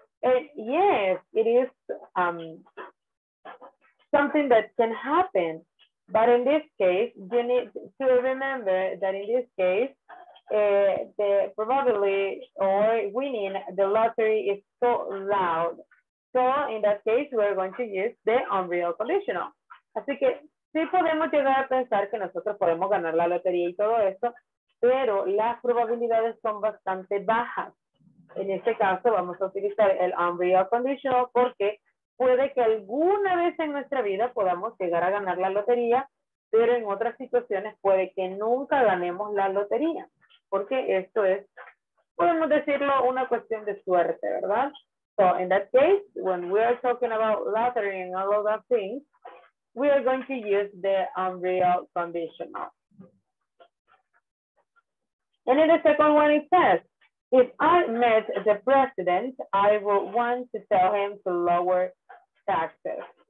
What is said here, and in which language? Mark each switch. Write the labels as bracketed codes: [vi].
[en] And yes, it is something that can happen. But in this case, you need to remember that in this case, the probability or winning the lottery is so loud. So in that case, we're going to use the unreal conditional. [es] Así que, sí podemos llegar a pensar que nosotros podemos ganar la lotería y todo eso, pero las probabilidades son bastante bajas. En este caso vamos a utilizar el unreal conditional porque puede que alguna vez en nuestra vida podamos llegar a ganar la lotería, pero en otras situaciones puede que nunca ganemos la lotería, porque esto es, podemos decirlo, una cuestión de suerte, ¿verdad? [en] So in that case, when we are talking about lottery and all of that thing, we are going to use the unreal conditional. And in the second one, it says, if I met the president, I would want to tell him to lower taxes.